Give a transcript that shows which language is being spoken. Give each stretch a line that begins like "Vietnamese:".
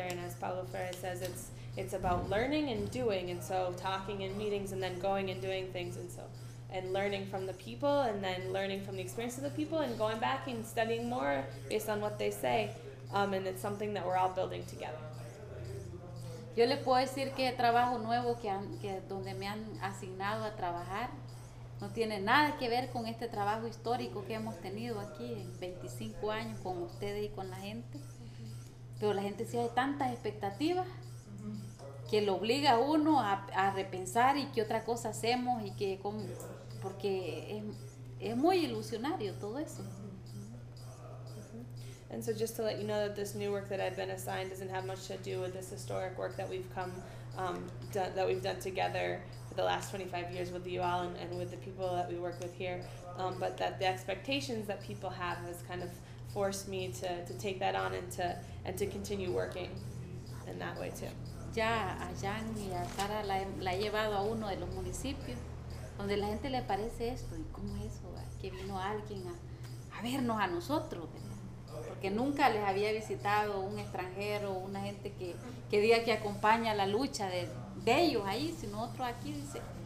English: And as Pablo Ferre says, it's about learning and doing. And so talking in meetings and then going and doing things. And so, and learning from the people and then learning from the experience of the people and going back and studying more based on what they say. And it's something that we're all building together.
Spanish: Yo le puedo decir que trabajo nuevo que donde me han asignado a trabajar no tiene nada que ver con este trabajo histórico que hemos tenido aquí en 25 años con ustedes y con la gente. Pero la gente sí hay tantas expectativas que lo obliga a uno a repensar y qué otra cosa hacemos y que cómo, porque es muy ilusionario todo eso.
English: And so just to let you know that this new work that I've been assigned doesn't have much to do with this historic work that we've come that we've done together for the last 25 years with you all and with the people that we work with here, but that the expectations that people have has kind of forced me to take that on and to continue working in that way too.
Spanish: Ya a Jan y a Sara la he llevado a uno de los municipios donde la gente le parece esto y cómo es eso que vino alguien a vernos a nosotros, porque nunca les había visitado un extranjero, una gente que diga que acompaña la lucha de ellos ahí, sino otro aquí, dice.